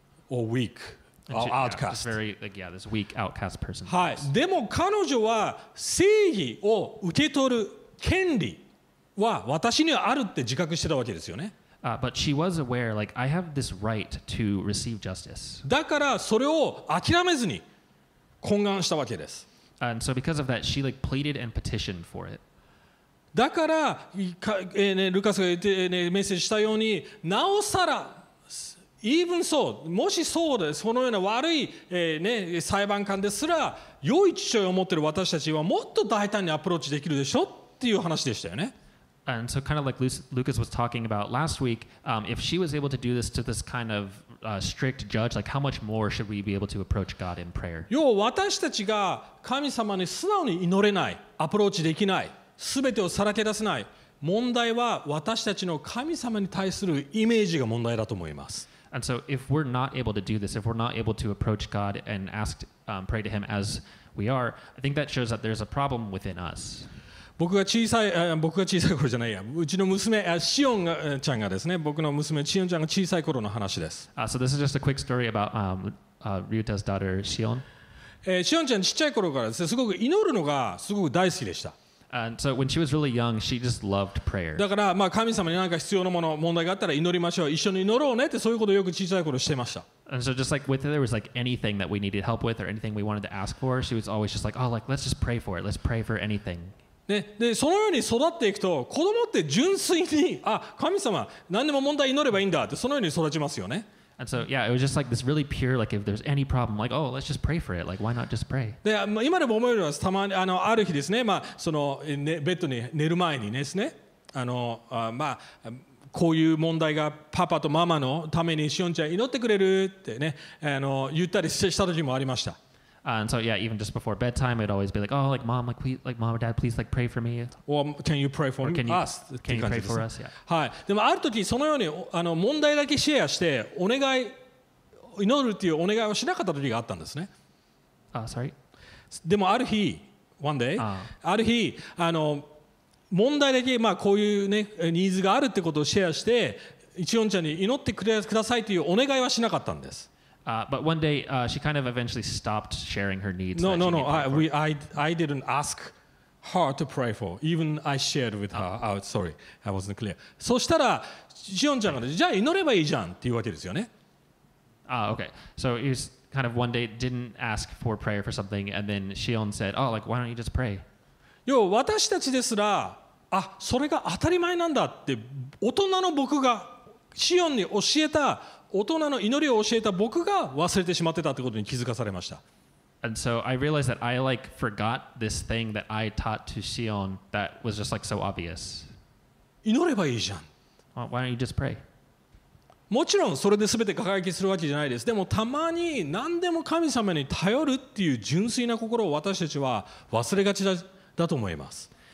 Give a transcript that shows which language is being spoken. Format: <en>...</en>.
<en>Or weak, or outcast. Yeah, this weak outcast person.</en> <ja>はい。でも彼女は正義を受け取る権利は私にはあるって自覚してたわけですよね。</ja> <en>But she was aware, like, I have this right to receive justice.</en> <ja>だからそれを諦めずに懇願したわけです。</ja> <en>And so because of that, she, like, pleaded and petitioned for it.</en> <ja>だから、ルカスが言って、メッセージしたように、なおさら、</ja> <en>even so、</en> <ja>もしそうです、そのような悪い、裁判官ですら、良い父親を持っている私たちはもっと大胆にアプローチできるでしょっていう話でしたよね。</ja> <en>And so kind of like Lucas was talking about last week, if she was able to do this to this kind of strict judge, like how much more should we be able to approach God in prayer?</en> <ja>要は私たちが神様に素直に祈れない、アプローチできない、全てをさらけ出せない、問題は私たちの神様に対するイメージが問題だと思います。</ja> <en>And so if we're not able to do this, if we're not able to approach God and ask, pray to him as we are, I think that shows that there's a problem within us.</en> <ja>僕が小さい、僕が小さい頃じゃないや、うちの娘、シオンちゃんがですね、僕の娘、シオンちゃんが小さい頃の話です。</ja> <en>So this is just a quick story about Ryuta's daughter, Shion.</en> <ja>Shion ちゃん、小さい頃からですね、すごく祈るのがすごく大好きでした。</ja> <en>And so when she was really young, she just loved prayer.</en> <ja>だから、まあ、神様に何か必要なもの、問題があったら祈りましょう、一緒に祈ろうねって、そういうことをよく小さい頃してました。</ja> <en>And so just like with there was like anything that we needed help with or anything we wanted to ask for, she was always just like, oh, like, let's just pray for it, let's pray for anything.</en> <ja>ね、でそのように育っていくと子供って純粋にあ神様何でも問題祈ればいいんだってそのように育ちますよね。</ja> <en>And so yeah, it was just like this really pure like if there's any problem like oh let's just pray for it like why not just pray?</en> <ja>で今でも思えるのはたまにある日ですね、まあその、ね、ベッドに寝る前にですねまあこういう問題がパパとママのためにしおんちゃん祈ってくれるってね言ったりした時もありました。</ja> <en>And so yeah, even just before bedtime, it'd always be like, oh, like mom, like please, like mom or dad, please like pray for me. Or can you pray for can you, us? Can you pray for us? Yeah.</en> <ja>はい。でもある時そのように問題だけシェアしてお願い祈るっていうお願いをしなかった時があったんですね。</ja> <en>Sorry.</en> <ja>でもある日、</ja> <en>one day,</en> <ja>ある日問題だけまあこういうねニーズがあるってことをシェアして一音ちゃんに祈ってくださいというお願いはしなかったんです。</ja> <en>But one day, she kind of eventually stopped sharing her needs. No. I didn't ask her to pray for. Even I shared with her. Oh, sorry, I wasn't clear.</en> <ja>そしたら、シオンちゃんが、じゃあ祈ればいいじゃんっていうわけですよね。</ja> <en>Okay. So he was kind of one day didn't ask for prayer for something, and then Shion said, "Oh, like why don't you just pray?"</en> <ja>要は私たちですら、あ、それが当たり前なんだって大人の僕がシオンに教えた。大人の祈りを教えた僕が忘れてしまってたってことに気づかされました。</ja> <en>And so I realized that I like forgot this thing that I taught to Shion that was just like so obvious.</en> <ja>祈ればいいじゃん。</ja> <en>Well, why don't you just pray?</en> <ja>もちろんそれで全て輝きするわけじゃないです。でもたまに何でも神様に頼るっていう純粋な心を私たちは忘れがちだと思います。</ja>